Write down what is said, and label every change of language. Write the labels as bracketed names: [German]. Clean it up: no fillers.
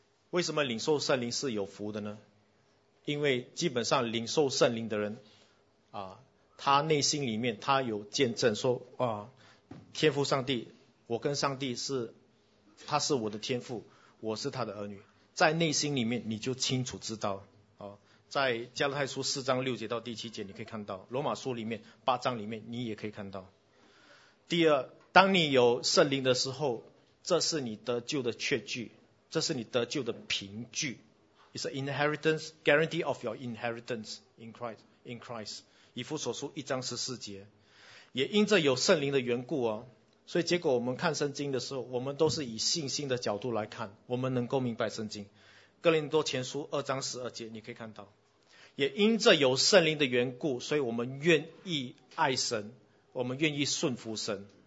[Chinese] 为什么领受圣灵是有福的呢？因为基本上领受圣灵的人啊，他内心里面他有见证说啊，天父上帝，我跟上帝是，他是我的天父，我是他的儿女，在内心里面你就清楚知道啊。在加拉太书四章六节到第七节你可以看到，罗马书里面八章里面你也可以看到。第二，当你有圣灵的时候，这是你得救的确据，这是你得救的凭据。 [English] It's an inheritance, guarantee of your inheritance in Christ. In Christ, [Chinese] 以弗所书一章十四节，也因着有圣灵的缘故啊，所以结果我们看圣经的时候，我们都是以信心的角度来看，我们能够明白圣经。哥林多前书二章十二节，你可以看到，也因着有圣灵的缘故，所以我们愿意爱神，我们愿意顺服神。